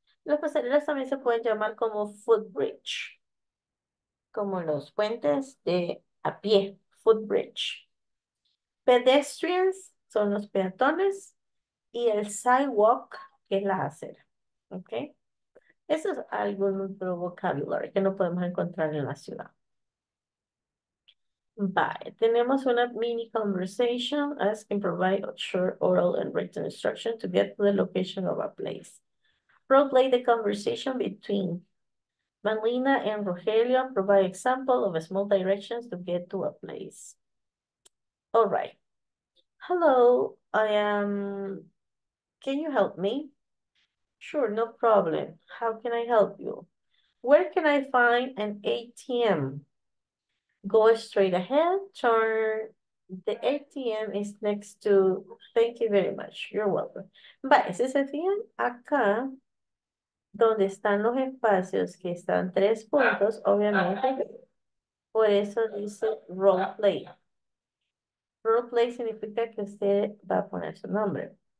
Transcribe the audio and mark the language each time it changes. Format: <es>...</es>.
<es>Las pasarelas también se pueden llamar como footbridge. Como los puentes de a pie, footbridge. Pedestrians son los peatones y el sidewalk, que es la acera. ¿Ok? Eso es algún otro vocabulario que no podemos encontrar en la ciudad. Bye. Tenemos una mini conversation.</es> <en>Ask and provide short oral and written instruction to get to the location of a place. Roleplay the conversation between Manlina and Rogelio, provide example of small directions to get to a place. All right. Hello, I am, can you help me? Sure, no problem. How can I help you? Where can I find an ATM? Go straight ahead, turn, the ATM is next to, thank you very much, you're welcome.</en> <es>Bye, si se fijan acá, donde están los espacios que están tres puntos, obviamente, por eso dice role play. Role play significa que usted va a poner su nombre.</es>